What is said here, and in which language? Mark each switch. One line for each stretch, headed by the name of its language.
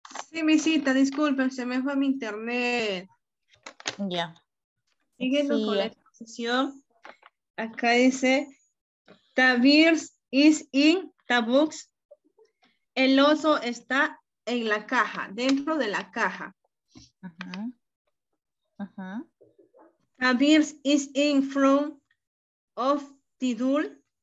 Spanish: Sí, misita, disculpen, se me fue mi internet. Ya. Yeah. Siguiendo con la exposición. Acá dice,
English: the bear is in the box.
Spanish: El oso está en la caja, dentro de la caja.
English: The bear is in front of the doll.